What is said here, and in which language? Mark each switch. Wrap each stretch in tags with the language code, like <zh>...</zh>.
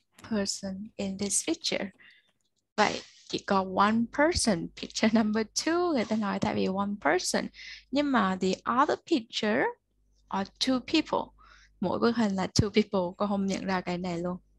<en>Person in this picture.</en> <vi>Vậy chỉ có</vi> <en>one person, picture number two,</en> <vi>người ta nói tại vì</vi> <en>one person.</en> <vi>Nhưng mà</vi> <en>the other picture are two people.</en> <vi>Mỗi bức hình là</vi> <en>two people,</en> <vi>cô không nhận ra cái này luôn.</vi>